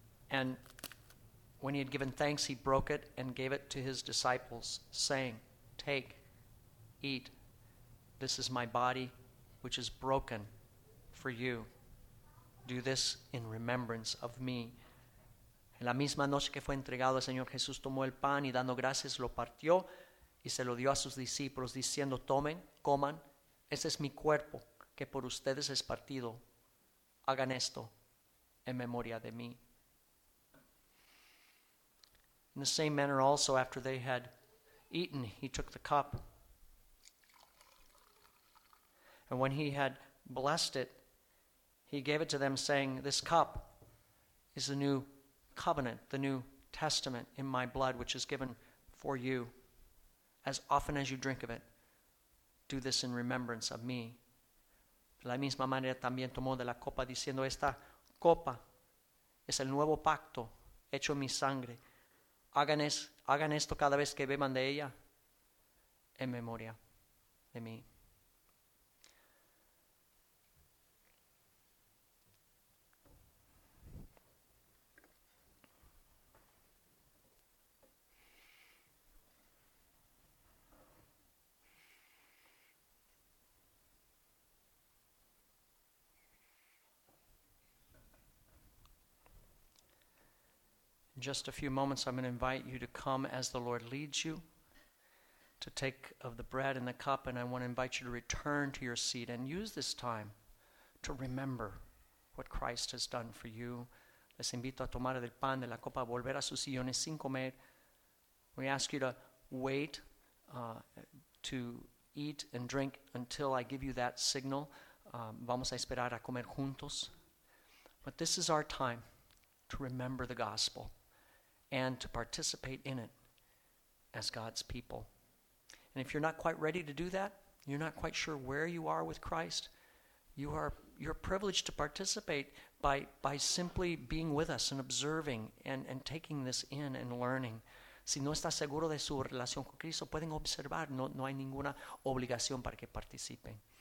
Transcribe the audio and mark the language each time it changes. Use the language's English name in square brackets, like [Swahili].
[English] And when he had given thanks, he broke it and gave it to his disciples, saying, "Take, eat. This is my body, which is broken for you. Do this in remembrance of me." [Spanish] En la misma noche que fue entregado al Señor Jesús, tomó el pan y dando gracias lo partió y se lo dio a sus discípulos, diciendo, "Tomen, coman, este es mi cuerpo, que por ustedes es partido. Hagan esto en memoria de mí." [English] In the same manner also, after they had eaten, he took the cup. And when he had blessed it, he gave it to them, saying, "This cup is the new covenant, the new testament in my blood, which is given for you. As often as you drink of it, do this in remembrance of me." [Spanish] De la misma manera también tomó de la copa, diciendo, "Esta copa es el nuevo pacto hecho en mi sangre. Hagan esto cada vez que beban de ella en memoria de mí." [English] Just a few moments, I'm going to invite you to come as the Lord leads you to take of the bread and the cup, and I want to invite you to return to your seat and use this time to remember what Christ has done for you. [Spanish] Les invito a tomar del pan, de la copa, volver a sus sillones sin comer. [English] We ask you to wait to eat and drink until I give you that signal. [Spanish] Vamos a esperar a comer juntos. [English] But this is our time to remember the gospel and to participate in it as God's people. And if you're not quite ready to do that, you're not quite sure where you are with Christ, you're privileged to participate by simply being with us and observing and taking this in and learning. [Spanish] Si no estás seguro de su relación con Cristo, pueden observar, no hay ninguna obligación para que participen.